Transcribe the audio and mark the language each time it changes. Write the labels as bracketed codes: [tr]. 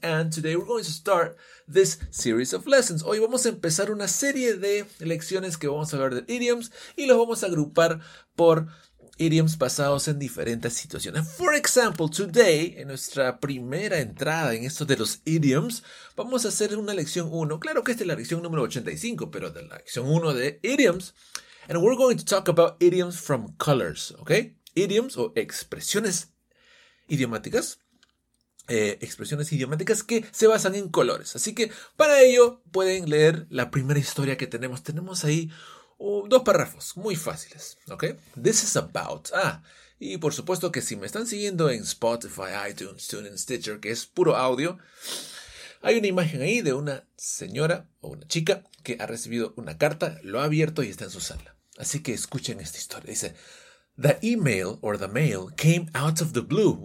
[en] And today we're going to start this series of lessons. [es] Hoy vamos a empezar una serie de lecciones que vamos a hablar de idioms. Y los vamos a agrupar por idioms basados en diferentes situaciones. [en] For example, today, [es] en nuestra primera entrada en esto de los idioms, vamos a hacer una lección 1. Claro que esta es la lección número 85, pero de la lección 1 de idioms. [en] And we're going to talk about idioms from colors, ¿ok? Idioms [es] o expresiones idiomáticas. Expresiones idiomáticas que se basan en colores. Así que para ello pueden leer la primera historia que tenemos. Tenemos ahí dos párrafos, muy fáciles, ¿ok? [en] This is about... [es] Ah, y por supuesto que si me están siguiendo en Spotify, iTunes, TuneIn, Stitcher, que es puro audio, hay una imagen ahí de una señora o una chica que ha recibido una carta, lo ha abierto y está en su sala. Así que escuchen esta historia. [en] Dice, the email or the mail came out of the blue.